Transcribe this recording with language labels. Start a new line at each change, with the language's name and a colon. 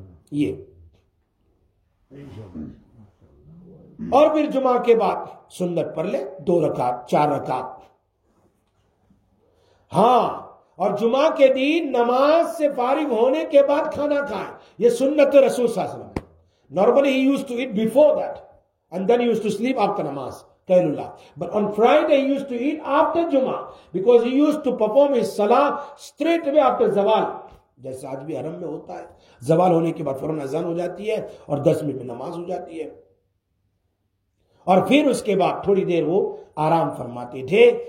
Urdu: یہ اور پھر جمعہ کے بعد سنت پڑھ لے دو رکعت چار رکعت. ہاں اور جمعہ کے دن نماز سے فارغ ہونے کے بعد کھانا کھائیں, یہ سنت رسول صلی اللہ علیہ وسلم.
English: Normally he use to eat before that and then he used to sleep after namaz, kailullah. But on Friday he used to eat after Jumah, because he used to perform his salah straight away after zawal.
Urdu: جیسے آج بھی حرم میں ہوتا ہے، زوال ہونے کے بعد فوراً اذان ہو جاتی ہے اور 10 منٹ میں نماز ہو جاتی ہے، اور پھر اس کے بعد تھوڑی دیر وہ آرام فرماتے تھے.